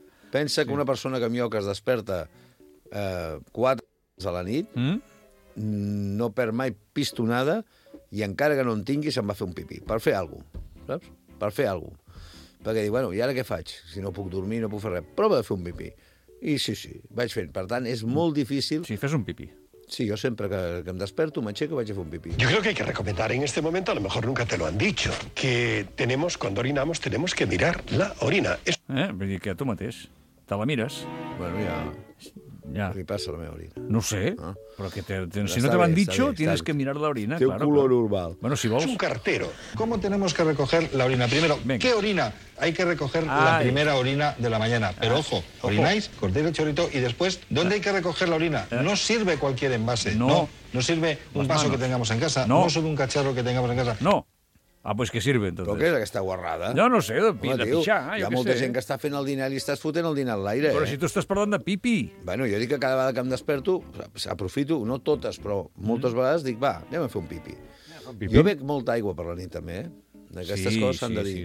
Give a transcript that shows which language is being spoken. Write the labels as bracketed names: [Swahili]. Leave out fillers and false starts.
[Catalan] Pensa que una persona com jo que es desperta 4... dimarts a la nit, no perd mai pistonada i encara que no en tingui se'n va fer un pipí, per fer alguna cosa, saps? Per fer alguna cosa. Perquè dic, bueno, i ara què faig? Si no puc dormir, no puc fer res. Prova de fer un pipí. I sí, sí, vaig fent. Per tant, és molt difícil... Si fes un pipí. Sí, jo sempre que em desperto, m'aixeco, vaig a fer un pipí. [Spanish] Yo creo que hay que recomendar en este momento, a lo mejor nunca te lo han dicho, que tenemos, cuando orinamos, tenemos que mirar la orina. [Catalan] Vull dir que a tu mateix, te la mires. Bueno, ja... Ja. Què passa a la meva orina? [Spanish] No sé, però que te, si no te van dicho, tienes que mirar la orina. [Catalan] Té un color normal. Bueno, si vols. [Spanish] Es un cartero. ¿Cómo tenemos que recoger la orina? Primero, venga. ¿Qué orina? Hay que recoger la primera orina de la mañana. Pero ojo, orináis, cortéis el chorrito y después, ¿dónde hay que recoger la orina? No sirve cualquier envase. No. No sirve un vaso que tengamos en casa. No. No sirve un cacharro que tengamos en casa. No. Ah, pues que sirve, entonces. [Catalan] Però què és aquesta guarrada? Jo no sé, de pixar, jo què sé. Hi ha molta gent que està fent el dinar i estàs fotent el dinar a l'aire. Però si tu estàs parlant de pipi. Bueno, jo dic que cada vegada que em desperto, aprofito, no totes, però moltes vegades dic, va, anem a fer un pipi. Jo bec molta aigua per la nit, també, d'aquestes coses s'han de dir.